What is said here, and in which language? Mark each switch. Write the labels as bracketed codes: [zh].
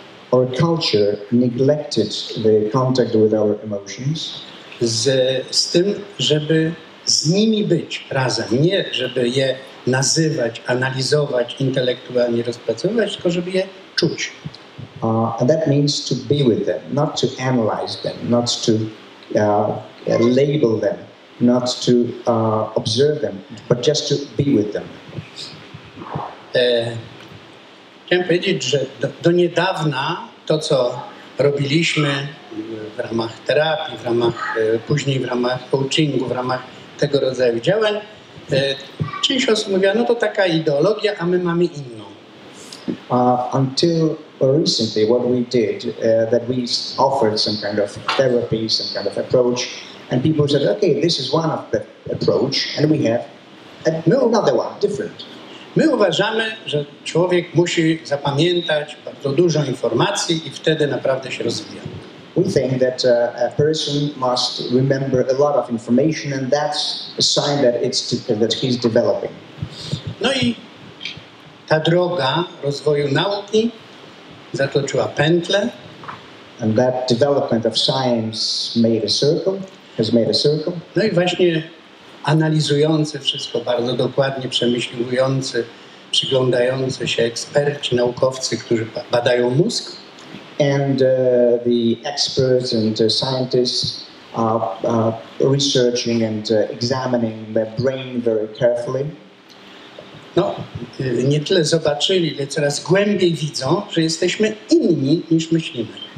[en] Our culture neglected the contact with our emotions. [pl] Z tym, żeby z nimi być razem, nie żeby je nazywać, analizować, intelektualnie rozpracowywać, tylko żeby je czuć. [en] And that means to be with them, not to analyze them, not to label them, not to observe them, but just to be with them. [pl] Chciałem powiedzieć, że do niedawna to, co robiliśmy w ramach terapii, w ramach, później w ramach coachingu, w ramach tego rodzaju działań, część osób mówiła, no to taka ideologia, a my mamy inną. [en] Until recently, what we did, that we offered some kind of therapy, some kind of approach, and people said, okay, this is one of the approach, and we have another one, different. [pl] My uważamy, że człowiek musi zapamiętać bardzo dużo informacji i wtedy naprawdę się rozwija. [en] We think that a person must remember a lot of information, and that's a sign that it's that he's developing. [pl] No i ta droga rozwoju nauki zatoczyła pętlę. [en] And that development of science made a circle, has made a circle. [pl] No i właśnie analizujący wszystko bardzo dokładnie, przemyśliwujący, przyglądający się eksperci, naukowcy, którzy badają mózg. [en] And the experts and scientists are researching and examining the brain very carefully. [pl] No, nie tyle zobaczyli, ale coraz głębiej widzą, że jesteśmy inni niż myślimy.